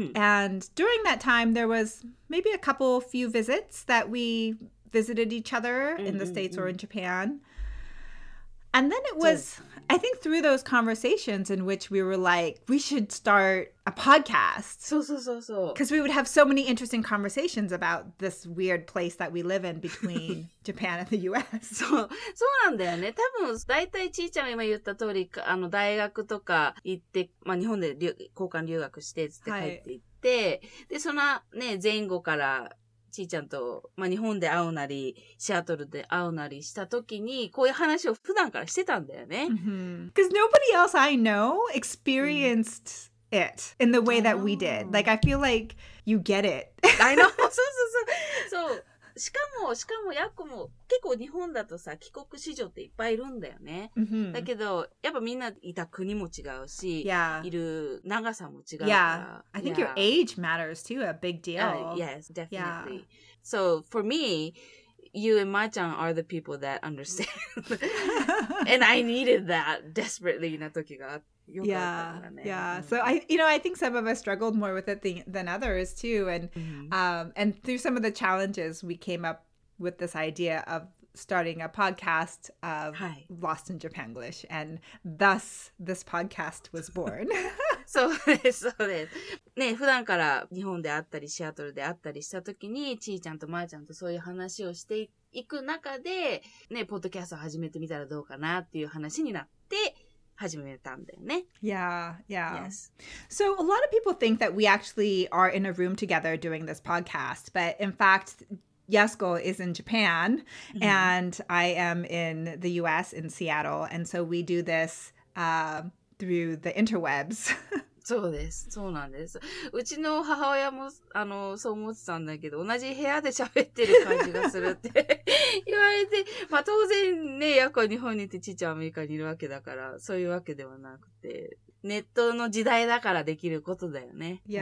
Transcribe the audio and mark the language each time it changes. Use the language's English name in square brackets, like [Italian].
[English] And during that time, there was maybe a couple few visits that we visited each other in the States or in Japan. And then it was, I think, through those conversations in which we were like, we should start a podcast. So. Because we would have so many interesting conversations about this weird place that we live in between Japan and the US. [Japanese] そうなんだよね。多分、だいたいちーちゃんが今言った通り、あの大学とか行って、まあ、日本で交換留学して、つって帰って行って、はい、で、そのね、前後から、ちーちゃんと、まあ、日本で会うなり、シアトルで会うなりしたときに、こういう話を普段からしてたんだよね。 [English] Because nobody else I know experienced it in the way that we did. Like, I feel like you get it. I know. そう。 [Japanese] しかも、ヤコも結構日本だとさ、帰国子女っていっぱいいるんだよね。だけど、やっぱみんないた国も違うし、いる長さも違うから。 [English] I think your age matters too, a big deal. Yes, definitely. So, for me, you and Ma-chan are the people that understand. And I needed that desperately [Japanese] な時があって。 [English] So I, you know, I think some of us struggled more with it than others too, and and through some of the challenges, we came up with this idea of starting a podcast of Lost in Japanglish, and thus this podcast was born. [Japanese] そうです。ね、普段から日本であったりシアトルであったりした時に、ちーちゃんとまーちゃんとそういう話をしていく中で、ね、ポッドキャストを始めてみたらどうかなっていう話になって。 [English] Yes. So a lot of people think that we actually are in a room together doing this podcast, but in fact, Yasuko is in Japan and I am in the US in Seattle. And so we do this through the interwebs. [Japanese] そうです。そうなんです。うちの母親も、そう思ってたんだけど、同じ部屋で喋ってる感じがするって言われて、まあ当然ね、ヤコは日本にいて、ちーちゃんアメリカにいるわけだから、そういうわけではなくて、ネットの時代だからできることだよね。